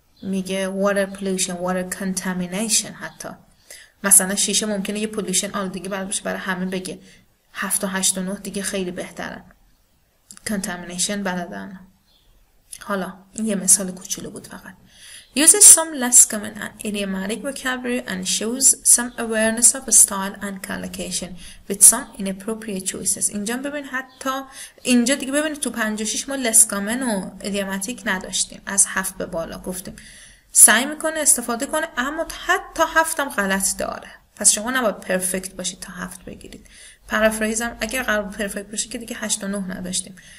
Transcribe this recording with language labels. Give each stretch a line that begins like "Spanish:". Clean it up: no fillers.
Persian: میگه
English: water pollution, water contamination.
Persian: حتی مثلا شیشه ممکنه یه پولیشن آل دیگه برای باشه، برای همه بگه 7 و 8 و 9 دیگه خیلی بهتره، contamination بلدن. حالا این یه مثال کوچولو بود فقط.
English: Uses some less common and idiomatic vocabulary and shows some awareness of style and collocation with some inappropriate choices.
Persian: اینجا ببین، حتی اینجا دیگه ببین تو 56 ما
English: less common
Persian: و idiomatic نداشتیم، از 7 به بالا گفتیم. سعی میکنه استفاده کنه، اما حتی 7 هم غلط داره. پس شما نباید پرفکت باشید تا 7 بگیرید. پارافریزم اگه قرار پرفکت باشه که دیگه 8 و 9 نداشتیم.